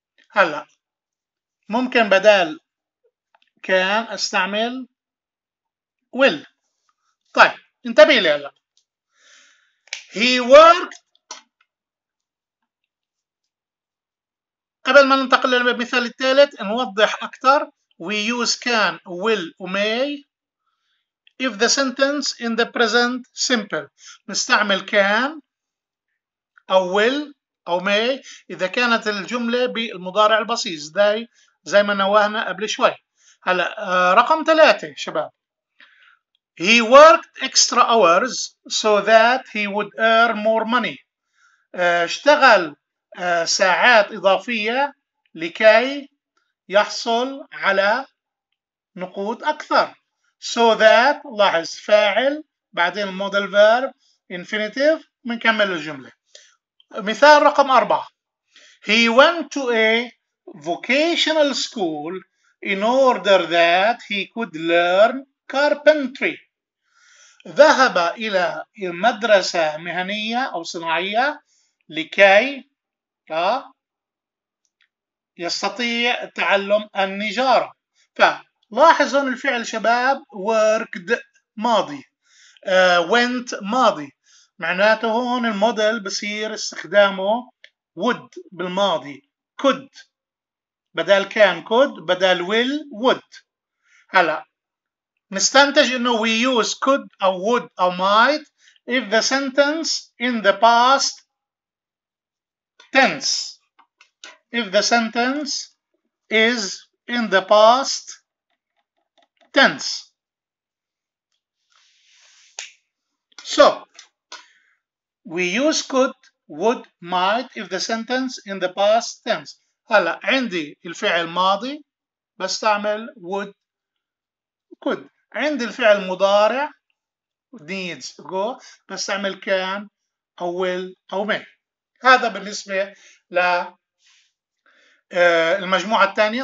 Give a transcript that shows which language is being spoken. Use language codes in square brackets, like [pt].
[ar] هلا ممكن بدال كان أستعمل will. طيب انتبه لي هلا. [en] He worked. [ar] قبل ما ننتقل للمثال الثالث نوضح أكثر. [en] We use can, will, may if the sentence in the present simple. [ar] نستعمل can أو will أو may إذا كانت الجملة بالمضارع البسيط زي ما نوهنا قبل شوي. هلا رقم ثلاثة شباب. [en] He worked extra hours so that he would earn more money. [ar] اشتغل ساعات إضافية لكي يحصل على نقود أكثر. So that لاحظ فاعل بعدين modal verb infinitive منكمل الجملة. مثال رقم أربعة. [en] He went to a vocational school in order that he could learn carpentry. [ar] ذهب إلى مدرسة مهنية أو صناعية لكي يستطيع تعلم النجارة. فلاحظوا الفعل شباب worked ماضي، went ماضي، معناته هون الموديل بصير استخدامه would بالماضي، could بدل can could بدل will would. هلا نستنتج إنه [en] we use could or would or might if the sentence in the past tense. If the sentence is in the past tense. So, we use could, would, might if the sentence in the past tense. [ar] هلا عندي الفعل ماضي بستعمل would, could. عندي الفعل مضارع needs, go بستعمل can أو will أو may. هذا بالنسبة ل المجموعة الثانية.